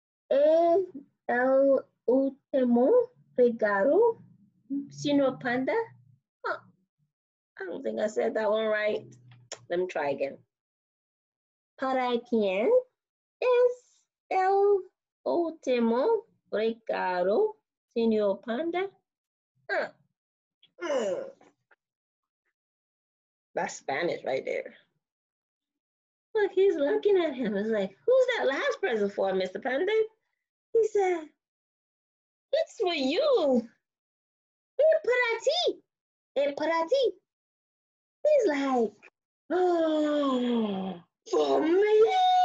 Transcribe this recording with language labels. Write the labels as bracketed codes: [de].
[es] Es el último regalo, señor Panda. [en] Huh. I don't think I said that one right. Let me try again. But I can. [es] Es el último regalo, señor Panda. Huh. [en] That's Spanish right there. Look, he's looking at him. He's like, who's that last present for, Mr. Panda? He said, it's for you. [es] Es para ti. Es para ti. [en] He's like, oh, for me?